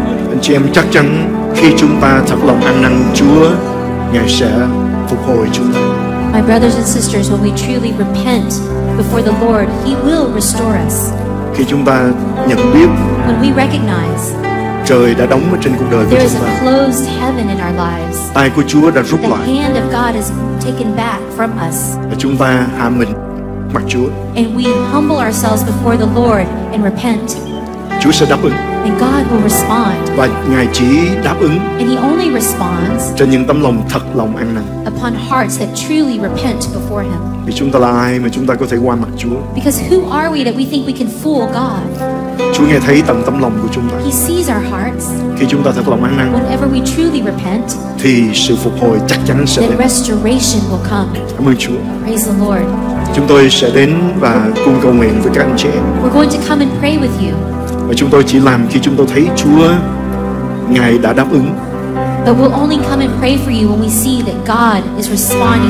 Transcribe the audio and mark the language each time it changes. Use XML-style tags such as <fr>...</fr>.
<vi>Anh chị em chắc chắn khi chúng ta thật lòng ăn năn Chúa, Ngài sẽ phục hồi chúng ta.</vi> <en>My brothers and sisters, when we truly repent before the Lord, He will restore us.</en> <vi>Khi chúng ta nhận biết,</vi> <en>when we recognize,</en> <vi>trời đã đóng ở trên cuộc đời của chúng ta.</vi> <en>There is a closed heaven in our lives.</en> <vi>Tay của Chúa đã rút lại.</vi> <en>The hand of God is taken back from us.</en> <vi>Và chúng ta hạ mình mặt Chúa.</vi> <en>And we humble ourselves before the Lord and repent.</en> <vi>Chúa sẽ đáp ứng.</vi> <en>And God will respond.</en> <vi>Và Ngài chỉ đáp ứng.</vi> <en>And He only responds.</en> <vi>Trên những tấm lòng thật lòng ăn năn.</vi> <en>Upon hearts that truly repent before Him.</en> <vi>Vì chúng ta là ai mà chúng ta có thể qua mặt Chúa?</vi> <en>Because who are we that we think we can fool God?</en> <vi>Chúa nghe thấy tận tấm lòng của chúng ta.</vi> <en>He sees our hearts.</en> <vi>Khi chúng ta thật lòng ăn năn.</vi> <en>Whenever we truly repent.</en> <vi>Thì sự phục hồi chắc chắn sẽ đến.</vi> <en>Then restoration will come.</en> <vi>Cảm ơn Chúa.</vi> <en>Praise the Lord.</en> <vi>Chúng tôi sẽ đến và cùng cầu nguyện với các anh chị em.</vi> <en>We're going to come and pray with you.</en> <vi>Và chúng tôi chỉ làm khi chúng tôi thấy Chúa, Ngài đã đáp ứng.</vi> <en>But we'll only come and pray for you when we see that God is responding</en>